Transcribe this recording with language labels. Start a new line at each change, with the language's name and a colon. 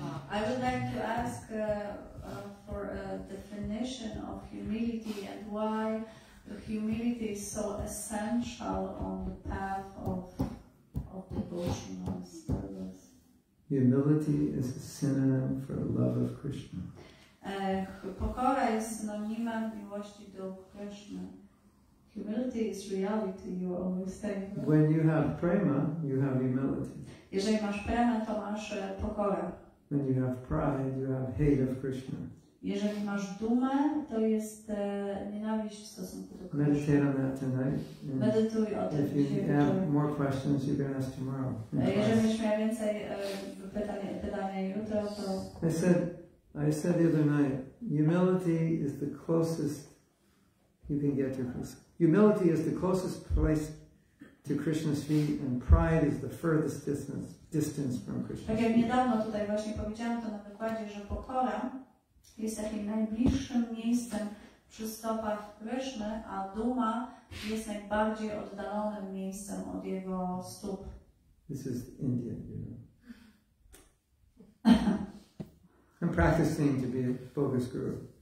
English: I would like to ask for a definition of humility and why humility is so essential on the path of devotional service. Humility is a synonym for love of Krishna.
Polish: Pokora jest synonimem miłości do Krishna.
English: Humility is reality, you always say. When you have prema, you have humility.
Polish: Jeżeli masz prema, to masz pokorę.
English: When you have pride, you have hate of Krishna.
Polish: Jeżeli masz dumę, to jest nienawiść w stosunku do
English: Krishna. Meditate on that tonight.
Polish: Medytuj o tym dzisiaj.
English: If you have more questions, you can ask tomorrow.
Polish: Jeżeli masz więcej pytania jutro, to...
English: I said the other night, humility is the closest you can get to Krishna. Humility is the closest place to Krishna's feet, and pride is the furthest distance from Krishna.
Polish: Tak jak niedawno tutaj właśnie powiedziałam to na wykładzie, że pokora jest takim najbliższym miejscem przy stopach Krishna, a duma jest najbardziej oddalonym miejscem od jego stóp.
English: This is India, you know. I'm practicing to be a bogus guru.